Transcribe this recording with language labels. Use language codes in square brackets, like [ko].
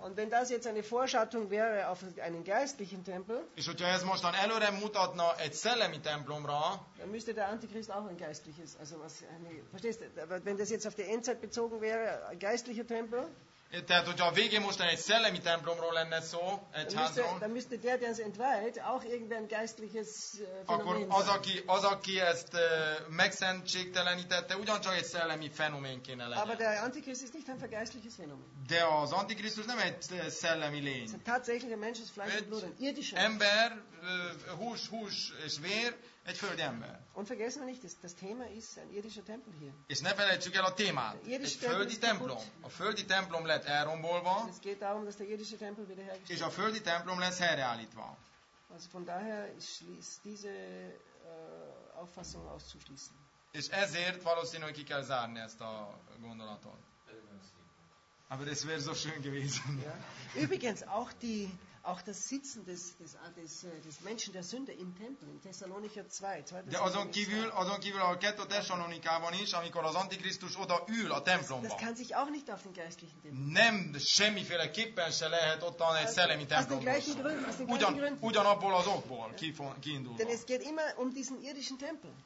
[de] Und wenn das jetzt eine Vorschattung wäre auf einen geistlichen Tempel, [hu] és hogyha ez mostan előre mutatna egy szellemi templomra, [de] dann müsste der Antichrist auch ein geistliches, also was, verstehst du, wenn das jetzt auf die Endzeit bezogen wäre, ein geistlicher Tempel, [hu] tehát, hogyha a végén mostan egy szellemi templomról lenne szó, egy házról, [de] dann müsste der, der es entweiht, auch irgendwie ein geistliches Phänomen. [hu] Akkor az, aki ezt megszentségtelenítette, ugyancsak egy szellemi fenomén kéne legyen. [de] Aber der Antichrist ist nicht ein vergeistliches Phänomen. [hu] De az Antikrisztus nem egy szellemi lény. [de] Tatsächlich ein Mensch aus Fleisch und Blut, ein irdischer. [hu] Ember, hús és vér, egy földi ember. [de] Und vergessen wir nicht, das Thema ist ein irdischer Tempel hier. [hu] És ne felejtsük el a témát. A földi templom lett elrombolva. [de] Es geht darum, dass der irdische Tempel wiederhergestellt [hu] wird. És a földi templom lesz helyreállítva. [de] Also von daher ist diese Auffassung auszuschließen. [hu] És ezért valószínűleg ki kell zárni ezt a gondolatot. [de] Aber das wäre so schön gewesen. Übrigens, auch die auch das Sitzen des Menschen der Sünde im Tempel in Thessalonicher 2. [hu] De azon kívül a kettő Thessalonikában is, amikor az Antikrisztus oda ül a templomba. [de] Das kann sich auch nicht auf den geistlichen Tempel. [hu] Nem, semmiféleképpen se lehet ott a szellemi templomban. Ugyanabból az okból kiindulva. [de] Denn es geht immer um diesen irdischen Tempel.